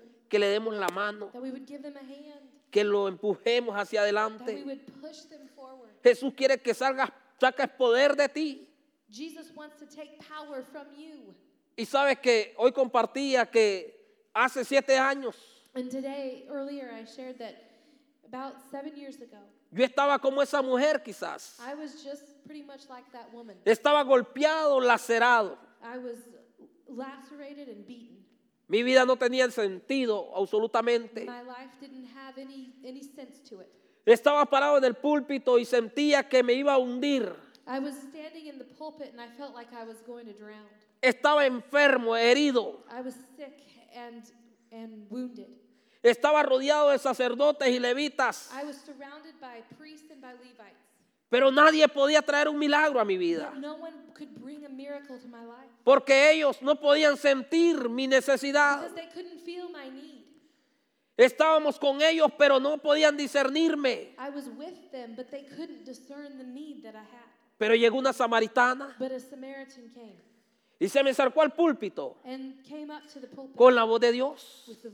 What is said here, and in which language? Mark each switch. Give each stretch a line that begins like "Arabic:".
Spanish: ¿Que le demos la mano? ¿Que lo empujemos hacia adelante? Jesús quiere que salgas, saques poder de ti.
English: Jesus wants to take power from you.
Spanish: Y sabes que hoy compartía que hace 7 años.
English: And today, earlier, I shared that about 7 years ago.
Spanish: Yo estaba como esa mujer, quizás.
English: I was just pretty much like that woman.
Spanish: Estaba golpeado, lacerado.
English: I was lacerated and beaten.
Spanish: Mi vida no tenía sentido absolutamente.
English: My life didn't have any sense to it.
Spanish: Estaba parado en el púlpito y sentía que me iba a hundir.
English: I was standing in the pulpit and I felt like I was going to drown.
Spanish: Estaba enfermo, herido.
English: I was sick and wounded.
Spanish: Estaba rodeado de sacerdotes y levitas.
English: I was surrounded by priests and by Levites.
Spanish: Pero nadie podía traer un milagro a mi vida.
English: But no one could bring a miracle to my life.
Spanish: Porque ellos no podían sentir mi necesidad.
English: Because they couldn't feel my need.
Spanish: Estábamos con ellos, pero no podían discernirme.
English: I was with them, but they couldn't discern the need that I had.
Spanish: Pero llegó una samaritana y se me acercó al púlpito con la voz de Dios.